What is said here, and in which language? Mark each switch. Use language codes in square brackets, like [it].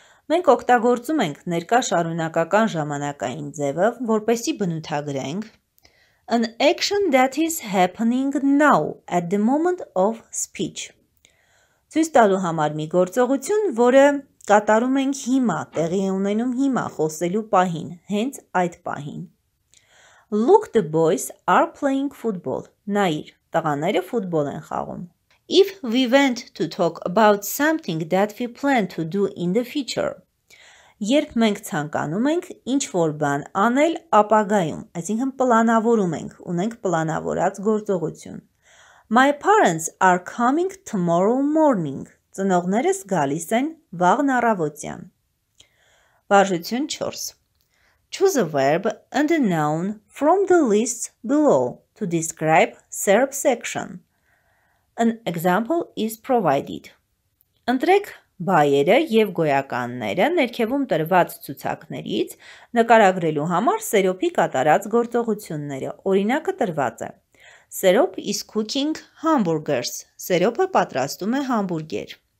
[hy] Մենք օգտագործում ենք ներկա շարունակական ժամանակային ձևը, որպեսի բնութագրենք [en] an action that is happening now at the moment of speech. [hy] Ցույց տալու համար մի գործողություն, որը կատարում ենք հիմա, տեղի է ունենում հիմա, խոսելու պահին, հենց այդ պահին։ [en] Look, the boys are playing football. [hy] Նայիր, տղաները ֆուտբոլ են խաղում։ [en] If we went to talk about something that we plan to do in the future. [hy] Երբ մենք ցանկանում ենք ինչ-որ բան անել ապագայում, այսինքն պլանավորում ենք, ունենք պլանավորած գործողություն. [en] My parents are coming tomorrow morning. [hy] Ծնողներս գալիս են վաղն առավոտյան. Վարժություն 4. [en] Choose a verb and a noun from the list below to describe SERP section. An example is provided. [hy] Ընտրեք բայերը և գոյականները ներքևում տրված ցուցակներից նկարագրելու համար սերոպի կատարած գործողությունները, օրինակը տրված է. [en] Սերոպ is cooking hamburgers. [hy] Սերոպը պատրաստում է համբուրգեր.